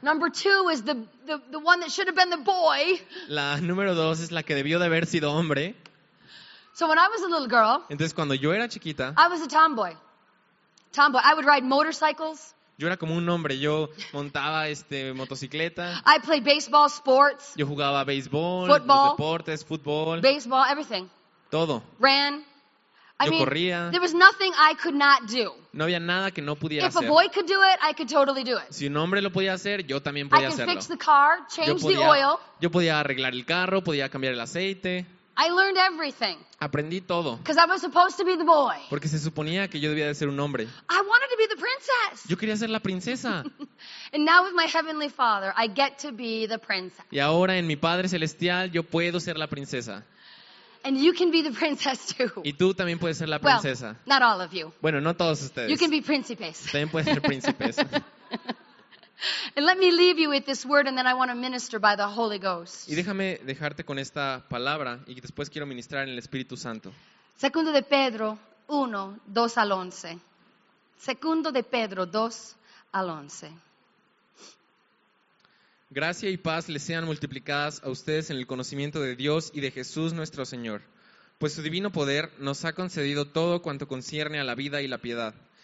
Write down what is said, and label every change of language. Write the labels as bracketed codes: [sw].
[en] Number two was the one that should have been the boy. [es] La número dos es la que debió de haber sido hombre. [en] So when I was a little girl, [es] entonces cuando yo era chiquita, [en] I was a tomboy. Tomboy. I would ride motorcycles. [es] Yo era como un hombre. Yo montaba motocicleta. [en] I played baseball, sports. [es] Yo jugaba béisbol, [en] football, [es] los deportes, fútbol, [en] baseball, everything. [es] Todo. [en] Ran. [es] Yo corría. [en] There was nothing I could not do. [es] No había nada que no pudiera hacer. [en] If a boy could do it, I could totally do it. [es] Si un hombre lo podía hacer, yo también podía hacerlo. [en] I could fix the car, change the oil. [es] Yo podía arreglar el carro, podía cambiar el aceite. [en] I learned everything. [es] Aprendí todo. [en] Because I was supposed to be the boy. [es] Porque se suponía que yo debía de ser un hombre. [en] I wanted to be the princess. [es] Yo quería ser la princesa. [en] And now with my heavenly father, I get to be the princess. [es] Y ahora en mi padre celestial, yo puedo ser la princesa. [en] And you can be the princess too. [es] Y tú también puedes ser la princesa. [en] Well, not all of you. [es] Bueno, no todos ustedes. [en] You can be príncipes. [es] También puedes ser príncipes. [en] And let me leave you with this word, and then I want to minister by the Holy Ghost. [es] Y déjame dejarte con esta palabra, y después quiero ministrar en el Espíritu Santo. Segundo de Pedro 1, 2 al 11. Segundo de Pedro 2 al 11. Gracia y paz les sean multiplicadas a ustedes en el conocimiento de Dios y de Jesús nuestro Señor, pues su divino poder nos ha concedido todo cuanto concierne a la vida y la piedad,